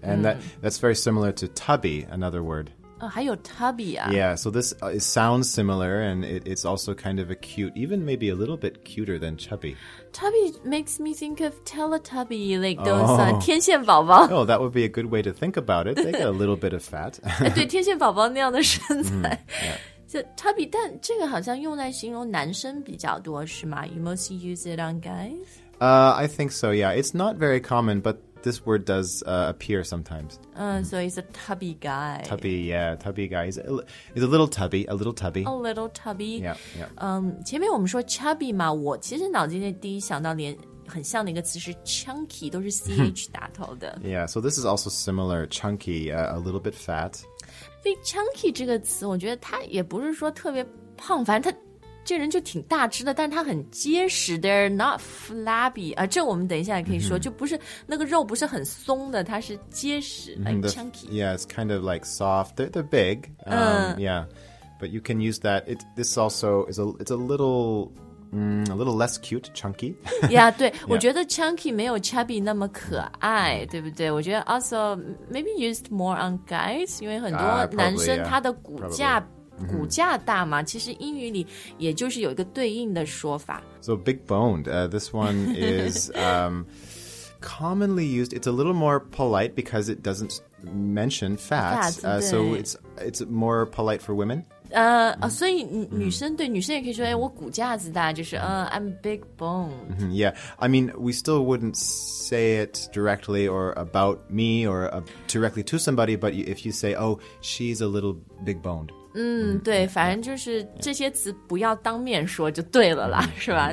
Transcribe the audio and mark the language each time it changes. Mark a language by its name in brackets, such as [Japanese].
[English] And that's very similar to tubby, another word. [Chinese] Oh, 还有 tubby 啊。 [English] Yeah, so this sounds similar, and it's also kind of a cute, even maybe a little bit cuter than chubby. Tubby makes me think of Teletubby, like those 天线宝宝。 Oh, that would be a good way to think about it. They got a little bit of fat. [Chinese] 对，天线宝宝那样的身材。 So, tubby, 但这个好像用来形容男生比较多，是吗？ [English] You mostly use it on guys? I think so, yeah. It's not very common, but... This word does appear sometimes. So he's a tubby guy. Tubby guy. He's a little tubby. A little tubby. Yeah. [Chinese] 前面我们说 chubby 嘛，我其实脑筋里第一想到连很像的一个词是 chunky， 都是 ch 打头的。 [English] Yeah, so this is also similar, chunky,、a little bit fat. [Chinese] 所以 chunky 这个词，我觉得它也不是说特别胖，反正它。这人就挺大只的，但他很结实。 [English] They're not flabby. [Chinese] 这我们等一下也可以说，就不是那个肉不是很松的，它是结实 chunky. [English] Yeah, it's kind of like soft. They're big. Yeah, but you can use that. This also is a little less cute, chunky. [Chinese] Yeah, 对，我觉得 chunky 没有 chubby 那么可爱，对不对？我觉得 [English] also maybe used more on guys, [Chinese] 因为很多男生他的骨架。骨架大嘛，其实英语里也就是有一个对应的说法。 [English] So big boned, this one is, commonly used. It's a little more polite because it doesn't mention fats. So it's more polite for women. [Chinese] So 女生对女生也可以说，哎，我骨架子大，就是 [English] I'm big boned. Yeah, I mean, we still wouldn't say it directly or about me or directly to somebody, but if you say, oh, she's a little big boned. [Chinese] 对，反正就是这些词不要当面说就对了啦，是吧？